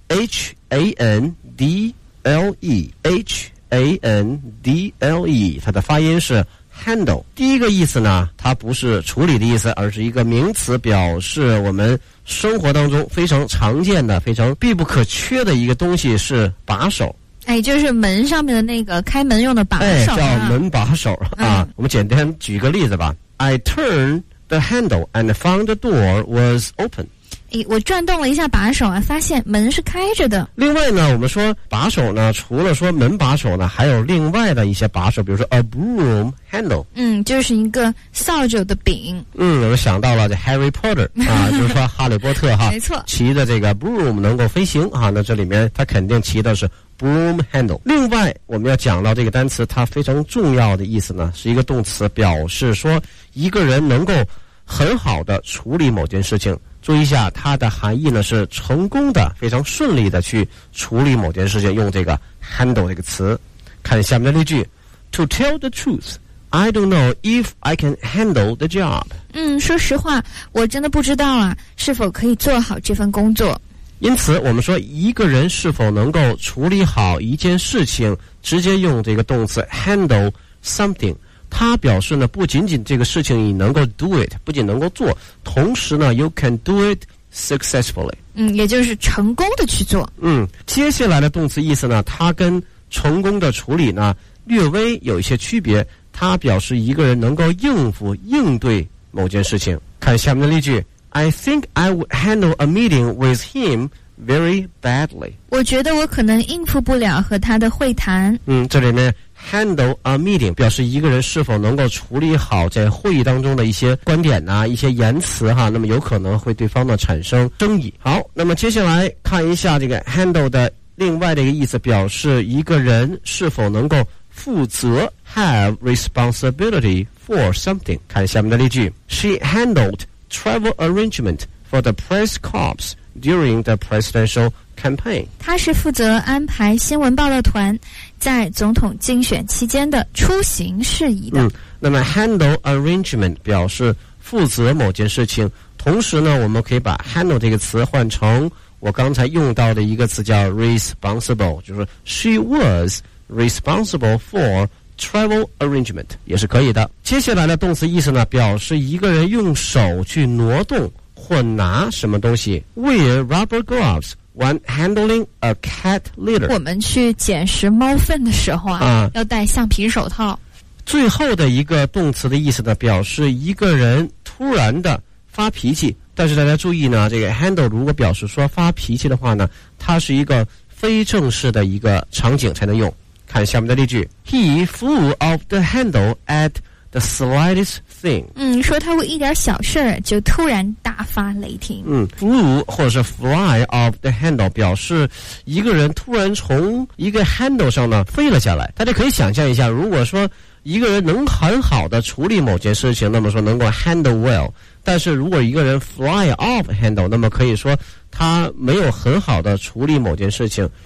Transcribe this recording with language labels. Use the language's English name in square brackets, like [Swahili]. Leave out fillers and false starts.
[Chinese] H-A-N-D-L-E H-A-N-D-L-E， 它的发音是 handle。第一个意思呢，它不是处理的意思，而是一个名词，表示我们生活当中非常常见的、非常必不可缺的一个东西，是把手。哎，就是门上面的那个开门用的把手、哎、叫门把手、我们简单举个例子吧。 [English] I turned the handle and found the door was open。 [Chinese] 哎，我转动了一下把手啊，发现门是开着的。另外呢，我们说把手呢，除了说门把手呢，还有另外的一些把手，比如说 [English] a broom handle。 [Chinese] 嗯，就是一个扫帚的柄。嗯，我们想到了这 Harry Potter 啊，就是说哈利波特哈，没错，骑着这个 broom 能够飞行啊，那这里面他肯定骑的是 [English] Broom handle。 [Chinese] 另外我们要讲到这个单词，它非常重要的意思呢，是一个动词，表示说一个人能够很好的处理某件事情。注意一下它的含义呢，是成功的、非常顺利的去处理某件事情，用这个 handle 这个词。看下面的例句。 [English] To tell the truth, I don't know if I can handle the job。 [Chinese] 嗯，说实话我真的不知道啊，是否可以做好这份工作。因此我们说一个人是否能够处理好一件事情，直接用这个动词 handle something。它表示呢，不仅仅这个事情你能够 [English] do it， [Chinese] 不仅能够做，同时呢 [English] you can do it successfully。 [Chinese] 嗯，也就是成功的去做。嗯，接下来的动词意思呢，它跟成功的处理呢略微有一些区别，它表示一个人能够应付、应对某件事情。看下面的例句。 [English] I think I would handle a meeting with him very badly. [Chinese] 我觉得我可能应付不了和他的会谈。嗯，这里面 [English] handle a meeting [Chinese] 表示一个人是否能够处理好在会议当中的一些观点啊、一些言辞哈，那么有可能会对方呢产生争议。好，那么接下来看一下这个 handle 的另外的一个意思，表示一个人是否能够负责。 [English] Have responsibility for something. [Chinese] 看下面的例句。 [English] She handledTravel arrangement for the press corps during the presidential campaign. [Chinese] 他是负责安排新闻报道团在总统竞选期间的出行事宜的。嗯，那么 handle arrangement 表示负责某件事情，同时呢，我们可以把 handle 这个词换成我刚才用到的一个词叫 responsible， 就是 [English] she was responsible for。 Travel arrangement [Chinese] 也是可以的。接下来的动词意思呢，表示一个人用手去挪动或拿什么东西。 [English] Wear rubber gloves when handling a cat litter。 [Chinese] 我们去捡拾猫粪的时候 要戴橡皮手套。最后的一个动词的意思呢，表示一个人突然的发脾气。但是大家注意呢，这个 handle 如果表示说发脾气的话呢，它是一个非正式的一个场景才能用。看下面的例句。 [English] He flew off the handle at the slightest thing。 [Chinese] 嗯，说他为一点小事就突然大发雷霆。嗯， flew 或者是 [English] fly off the handle [Chinese] 表示一个人突然从一个 handle 上呢飞了下来。大家可以想象一下，如果说一个人能很好的处理某件事情，那么说能够 handle well， 但是如果一个人 [English] fly off handle， [Chinese] 那么可以说他没有很好的处理某件事情。